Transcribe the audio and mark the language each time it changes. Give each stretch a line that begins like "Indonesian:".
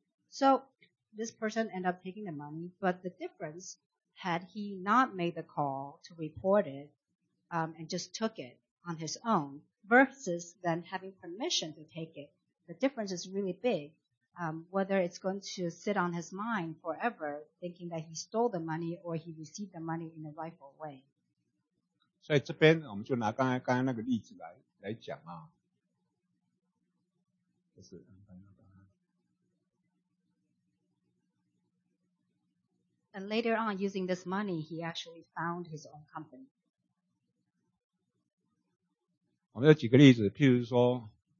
English: So this person ended up taking the money, but the difference, had he not made the call to report it and just took it on his own versus then having permission to take it, the difference is really big. Whether it's going to sit on his mind forever, thinking that he stole the money or he received the money in the rightful way.
Chinese: 所以这边我们就拿刚才那个例子来讲啊。
English: And later on, using this money, he actually found his own company.
Chinese: 我们有几个例子，譬如说。